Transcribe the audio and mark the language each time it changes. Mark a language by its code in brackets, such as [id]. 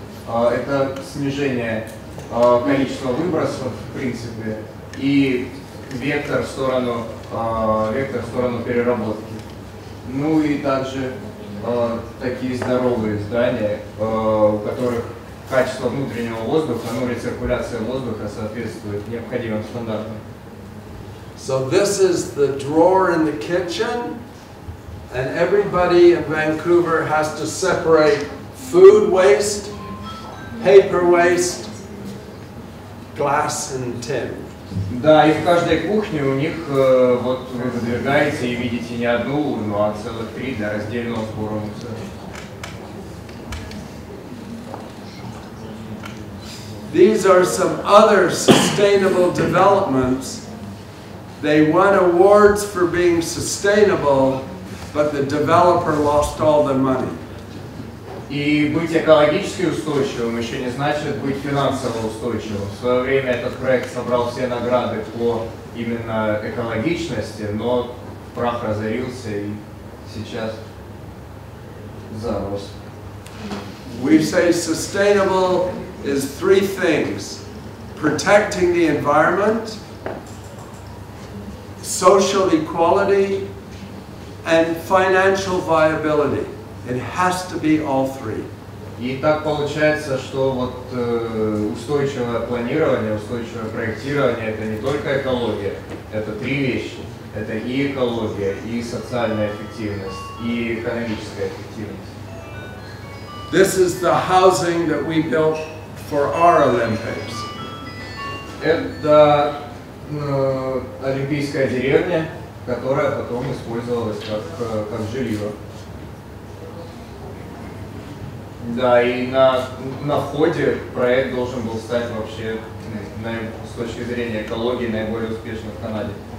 [ru] Это снижение количества выбросов, в принципе, и вектор в сторону. Вектор в сторону переработки. Ну и также такие здоровые здания, у которых качество внутреннего воздуха, ну, рециркуляция воздуха соответствует необходимым стандартам. [en] So this is the drawer in the kitchen, and everybody in Vancouver has to separate food waste, paper waste, glass and tin. [ru] Да, и в каждой кухне у них вот вы выдвигаете и видите не одну урну, а целых три для раздельного сбора мусора. [en] These are some other sustainable developments. They won awards for being sustainable, but the developer lost all their money. [ru] И быть экологически устойчивым еще не значит быть финансово устойчивым. В свое время этот проект собрал все награды по именно экологичности, но прах разорился и сейчас зарос. [en] We say sustainable is three things: protecting the environment, social equality, and financial viability. It has to be all three. [ru] И так получается, что вот устойчивое планирование, устойчивое проектирование это не только экология, это три вещи. Это и экология, и социальная эффективность, и экономическая эффективность. [en] This is the housing that we built for our Olympics. [ru] Это олимпийская деревня, которая потом использовалась как жилье. Да, и на входе проект должен был стать вообще, с точки зрения экологии, наиболее успешным в Канаде.